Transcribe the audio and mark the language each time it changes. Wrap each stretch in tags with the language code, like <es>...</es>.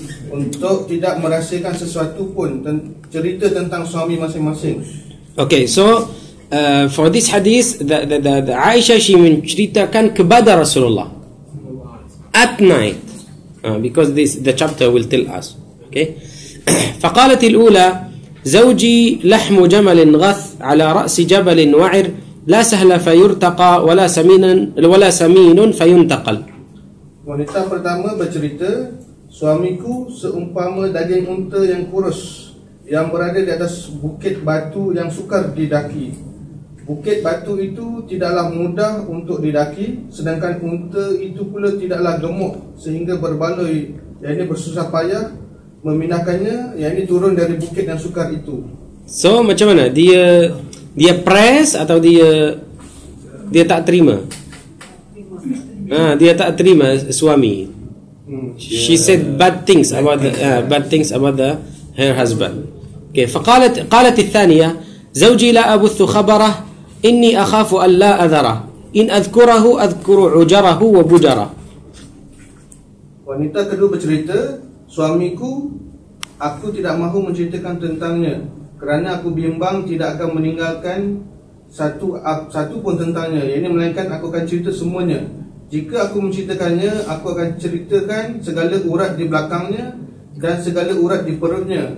<ms>Untuk tidak merahsiakan sesuatu pun cerita tentang suami masing-masing.</ms> <en>Okay, so for this hadith, the Aisha she</en> <ms>menceritakan kepada</ms> <en>Rasulullah at night, because this the chapter will tell us.</en> <ar>Okay, فقالت الأولى زوجي لحم جمل غث على رأس جبل وعر لا سهل فيرتقى ولا سمين فينتقل.</ar> <ms>Wanita pertama bercerita. Suamiku seumpama daging unta yang kurus yang berada di atas bukit batu yang sukar didaki. Bukit batu itu tidaklah mudah untuk didaki, sedangkan unta itu pula tidaklah gemuk sehingga berbaloi, iaitu bersusah payah memindahkannya, iaitu turun dari bukit yang sukar itu. So macam mana dia press atau dia tak terima? Dia tak terima suami.</ms> <en>She said bad things about her husband. Okay.</en> <ar>فقالت الثانية زوجي لا أبث خبره إني أخاف أن لا أذره إن أذكره أذكر عجره وبجره.</ar> <ms>Wanita kedua bercerita, suamiku, aku tidak mahu menceritakan tentangnya kerana aku bimbang tidak akan meninggalkan satu pun tentangnya. Ini melainkan aku akan cerita semuanya. Jika aku menceritakannya, aku akan ceritakan segala urat di belakangnya dan segala urat di perutnya.</ms>